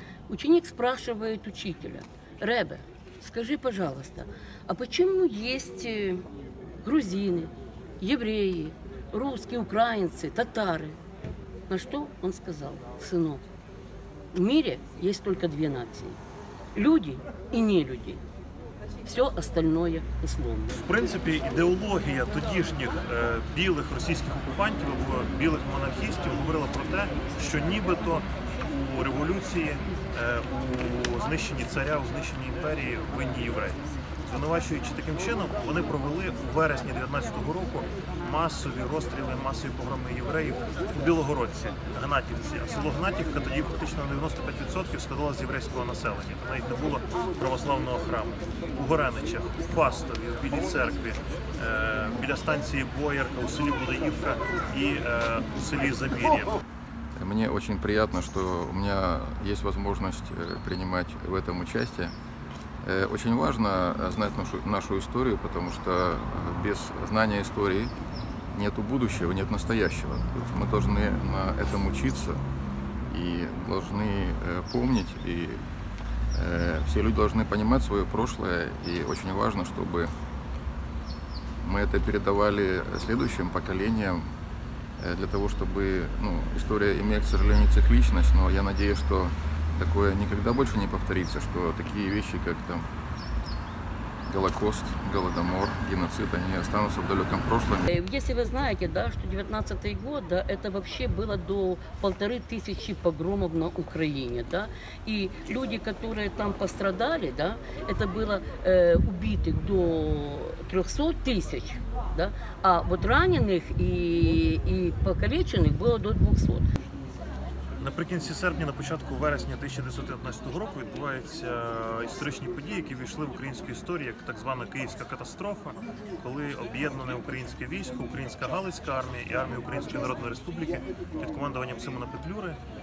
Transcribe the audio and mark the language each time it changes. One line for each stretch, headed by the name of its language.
Russian: Ученик спрашивает учителя: «Ребе, скажи, пожалуйста, а почему есть грузины, евреи, русские, украинцы, татары?» На что он сказал: «Сынок, в мире есть только две нации – люди и нелюди. Все остальное условно».
Ukrainian: В принципе, идеология тодішніх білих російських окупантів або білих монархістів говорила про те, що нібито у революції, у знищенні царя, у знищенні імперії винні євреї. Звинувачуючи таким чином, вони провели у вересні 19-го року масові розстріли, масові погроми євреїв у Білогородці, Гнатівці. А село Гнатівка тоді фактично на 95% складало з єврейського населення. Там навіть не було православного храму. У Гореничах, у Фастові, в Білій церкві, біля станції Боярка, у селі Будаївка і у селі Забір'я. Мені дуже приємно, що у мене є можливість приймати в цьому участь.
Russian: Очень важно знать нашу историю, потому что без знания истории нет будущего, нет настоящего. Мы должны на этом учиться и должны помнить, и все люди должны понимать свое прошлое. И очень важно, чтобы мы это передавали следующим поколениям, для того чтобы, ну, история имеет, к сожалению, цикличность, но я надеюсь, что такое никогда больше не повторится, что такие вещи, как там Голокост, Голодомор, геноцид, они останутся в далеком прошлом. Если вы знаете, да, что 19-й год, да, это вообще было до 1500 погромов на Украине, да, и люди, которые там пострадали, да, это было убитых до 300 тысяч, да, а вот раненых и покалеченных было до 200.
Ukrainian: Наприкінці серпня, на початку вересня 1919 року відбуваються історичні події, які війшли в українську історію як так звана Київська катастрофа, коли об'єднане українське військо, українська Галицька армія і армія Української Народної Республіки під командуванням Симона Петлюри